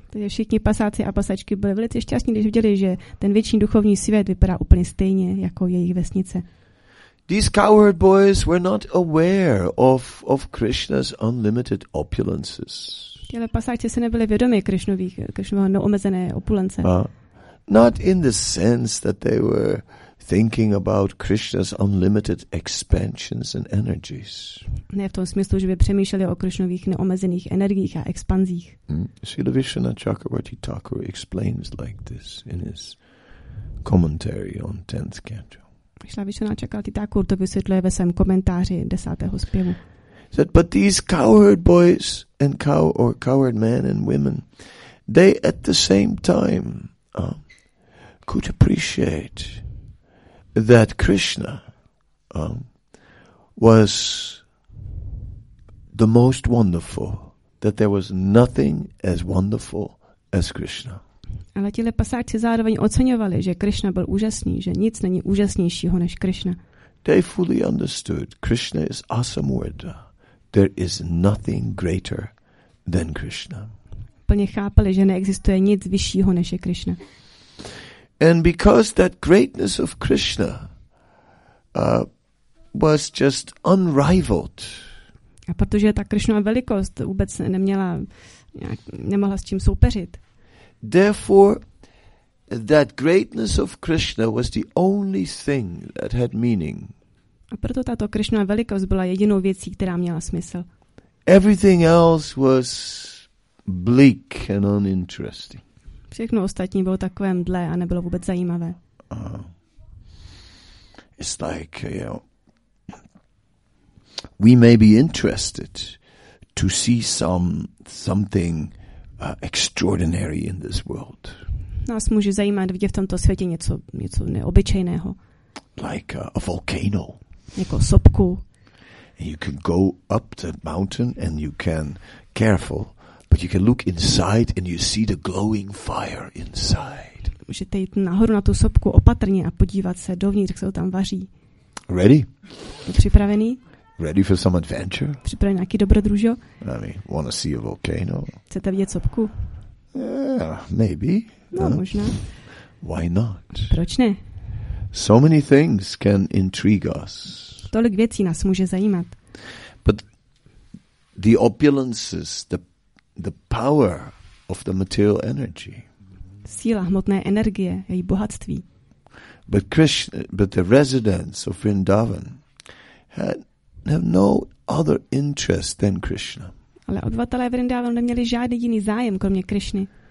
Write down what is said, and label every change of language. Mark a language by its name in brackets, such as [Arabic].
[Czech] Takže všichni pasáci a pasačky byli velice šťastní, když viděli, že ten věčný duchovní svět vypadá úplně stejně jako jejich vesnice. [English] These coward boys were not aware of Krishna's unlimited opulences. [Czech] Těhle pasáci se nebyli vědomi Krishnovy neomezené opulence. [English] Not in the sense that they were thinking about Krishna's unlimited expansions and energies. [Czech] Ne v tom smyslu, že by přemýšleli o Krishnových neomezených energiích a expanzích. [English] Srila Vishwanatha Chakravarti Thakur explains like this in his commentary on 10th canto. [Czech] Srila Vishwanatha Chakravarti Thakur to vysvětluje ve svém komentáři 10. zpěvu. [English] But these coward boys and coward men and women, they at the same time could appreciate that Krishna was the most wonderful, that there was nothing as wonderful as Krishna. [Czech] Ale tihle pasáči zároveň oceňovali, že Krishna byl úžasný, že nic není úžasnějšího než Krishna. [English] They fully understood Krishna is Asamurda. There is nothing greater than Krishna. [Czech] Plně chápali, že neexistuje nic vyššího než je Krishna. [English] And because that greatness of Krishna was just unrivaled. [Czech] A protože ta Krishna velikost vůbec neměla, nemohla s tím soupeřit. [English] Therefore, that greatness of Krishna was the only thing that had meaning. [Czech] A proto tato Krishna velikost byla jedinou věcí, která měla smysl. [English] Everything else was bleak and uninteresting. [Czech] Všechno ostatní bylo takové mdlé a nebylo vůbec zajímavé. [English] It's like, you know, we may be interested to see something extraordinary in this world. [Czech] Nás může zajímat vidět v tomto světě něco neobyčejného. [English] Like a volcano. [Czech] Jako sopku. [English] And you can go up the mountain and you can, careful, but you can look inside and you see the glowing fire inside. [Czech] Můžete jít nahoru na tu sopku opatrně a podívat se dovnitř, jak se to tam vaří. [English] Ready? [Czech] Připravený? [English] Ready for some adventure? [Czech] Připravený nějaký dobrodružo? [English] I mean, want to see a volcano? [Czech] Chcete vidět sopku? [English] Yeah, maybe. [Czech] No, huh? Možná. [English] Why not? [Czech] Proč ne? [English] So many things can intrigue us. [Czech] Tolik věcí nás může zajímat. [English] But the opulences, the power of the material energy. [Czech] Síla hmotné energie, její bohatství. [English] But Krishna, but the residents of Vrindavan have no other interest than Krishna. [Czech] Ale obyvatelé Vrindavanu neměli žádný jiný zájem kromě Krishny.